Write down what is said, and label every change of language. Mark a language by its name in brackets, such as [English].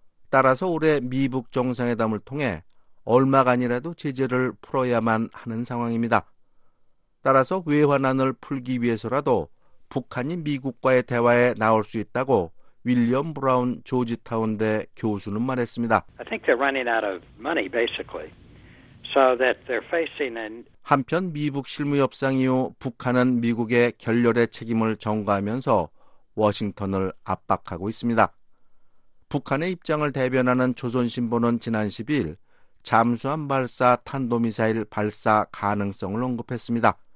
[Korean] 따라서 올해 미북 정상회담을 통해 얼마간이라도 제재를 풀어야만 하는 상황입니다. 따라서 외환난을 풀기 위해서라도 북한이 미국과의 대화에 나올 수 있다고 윌리엄 브라운 조지타운대 교수는 말했습니다. [English] I think they're running out of money, basically. So that they're facing an [Korean] 한편 미북 실무협상 이후 북한은 미국의 결렬의 책임을 전가하면서 워싱턴을 압박하고 있습니다. 북한의 입장을 대변하는 조선신보는 지난 12일 잠수함 발사 탄도미사일 발사 가능성을 언급했습니다.